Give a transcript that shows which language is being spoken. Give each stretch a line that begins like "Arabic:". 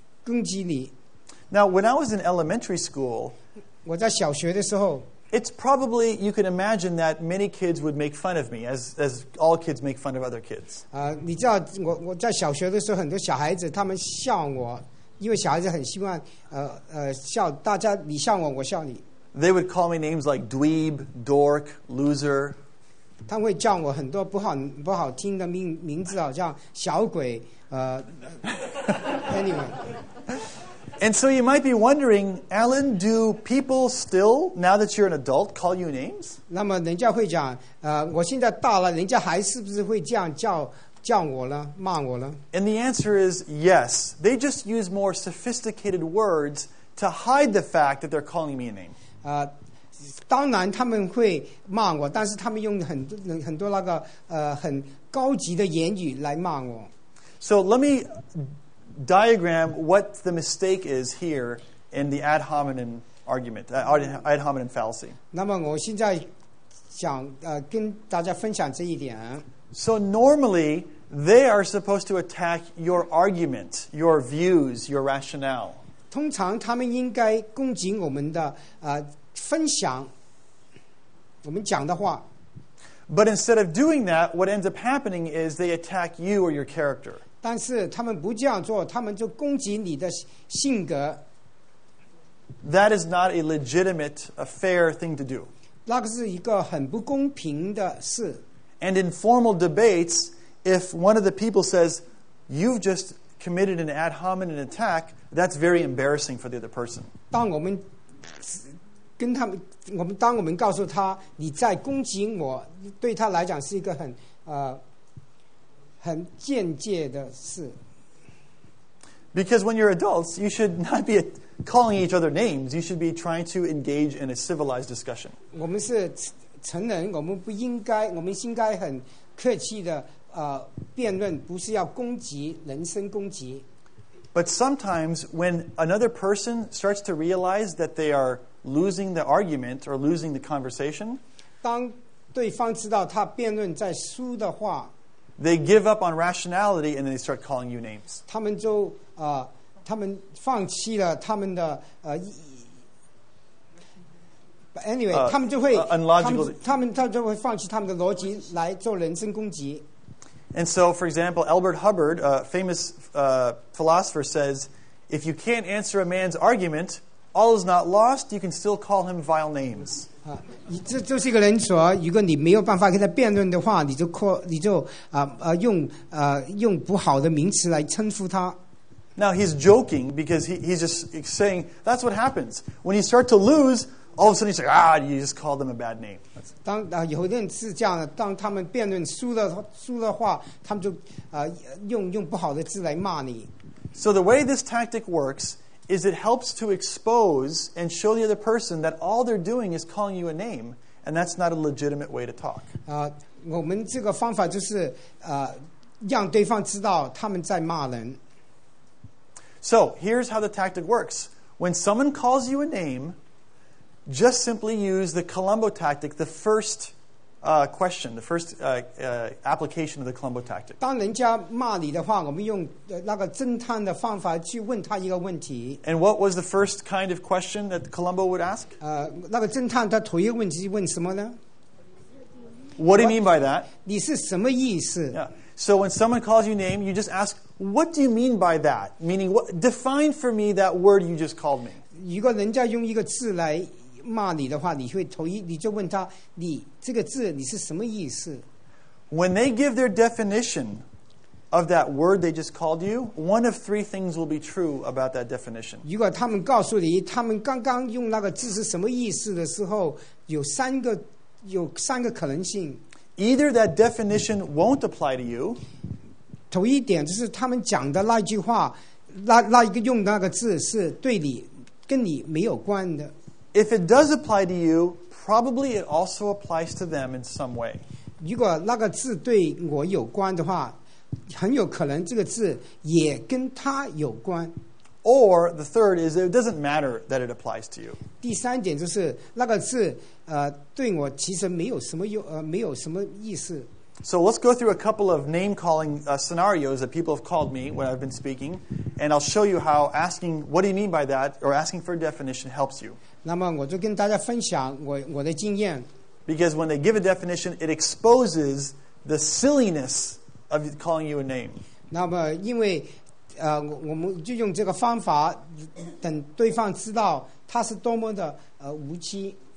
English: Now, when I was in elementary school,
Chinese: 我在小学的时候,
English: it's probably, you can imagine that many kids would make fun of me, as all kids make fun of other kids.
Chinese: 你知道, 我在小学的时候, 很多小孩子, 他们笑我, 因为小孩子很希望, 笑大家, 你笑我, 我笑你。
English: They would call me names like dweeb, dork, loser.
Chinese: 他们会叫我很多不好听的名字, 好像小鬼,
English: anyway. And so you might be wondering, Alan, do people still, now that you're an adult, call you names?
Chinese: 那么人家会讲，我现在大了，人家还是不是会这样叫我了，骂我了？
English: And the answer is yes. They just use more sophisticated words to hide the fact that they're calling me a name.
Chinese: 当然他们会骂我，但是他们用很多那个很高级的言语来骂我。
English: So let me diagram what the mistake is here in the ad hominem argument, ad hominem fallacy.
Chinese: 那么我现在想跟大家分享这一点。
English: So normally, they are supposed to attack your argument, your views, your rationale.
Chinese: 通常他们应该攻击我们的分享，我们讲的话。
English: But instead of doing that, what ends up happening is they attack you or your character.
Chinese: 但是他们不这样做，他们就攻击你的性格。
English: That is not a legitimate, a fair thing to do.
Chinese: 那个是一个很不公平的事。
English: And in formal debates, if one of the people says, "You've just committed an ad hominem attack," that's very embarrassing for the other person.
Chinese: 当我们跟他们，我们当我们告诉他你在攻击我，对他来讲是一个很很间接的事。
English: Because when you're adults, you should not be calling each other names. You should be trying to engage in a civilized discussion.
Chinese: 我们是成人，我们不应该，我们应该很客气的辩论，不是要攻击，人身攻击。
English: But sometimes when another person starts to realize that they are losing the argument or losing the conversation,
Chinese: 当对方知道他辩论在输的话。
English: They give up on rationality and then they start calling you names.
Chinese: 他们就他们放弃了他们的他们就会
English: unlogical.
Chinese: 他们就会放弃他们的逻辑来做人身攻击。
English: And so, for example, Albert Hubbard, a famous philosopher, says, "If you can't answer a man's argument, all is not lost. You can still call him vile names."
Chinese: 这就是一个人说，如果你没有办法跟他辩论的话，用不好的名词来称呼他。
English: Now he's joking because he's just saying that's what happens when you start to lose. All of a sudden you say, you just call them a bad name.
Chinese: 当有人是这样的，当他们辩论输了话，他们就用不好的字来骂你。
English: So the way this tactic works. Is it helps to expose and show the other person that all they're doing is calling you a name, and that's not a legitimate way to talk.
Chinese: 我们这个方法就是让对方知道他们在骂人。
English: So here's how the tactic works. When someone calls you a name, just simply use the Columbo tactic, the first question, the first application of the Columbo tactic.
Chinese: 当人家骂你的话，我们用那个侦探的方法去问他一个问题。
English: And what was the first kind of question that Columbo would ask?
Chinese: 那个侦探他头一个问题问什么呢？
English: What do you mean by that?
Chinese: 你是什么意思？
English: Yeah. So when someone calls you name, you just ask, what do you mean by that? Meaning, what, define for me that word you just called me.
Chinese: 如果人家用一个字来骂你的话，你会头一你就问他，你这个字你是什么意思？
English: When they give their definition of that word they just called you, one of three things will be true about that definition.
Chinese: 如果他们告诉你他们刚刚用那个字是什么意思的时候，有三个可能性。
English: Either that definition won't apply to you.
Chinese: 头一点就是他们讲的那句话，那一个用那个字是对你跟你没有关的。
English: If it does apply to you, probably it also applies to them in some way.
Chinese: 如果那个字对我有关的话，很有可能这个字也跟他有关。
English: Or the third is it doesn't matter that it applies to you.
Chinese: 第三点就是那个字对我其实没有什么用没有什么意思。
English: So let's go through a couple of name-calling scenarios that people have called me when I've been speaking, and I'll show you how asking what do you mean by that or asking for a definition helps you.
Chinese: 那么我就跟大家分享我的经验。
English: Because when they give a definition, it exposes the silliness of calling you a name.
Chinese: 那么因为我们就用这个方法，等对方知道他是多么的无知。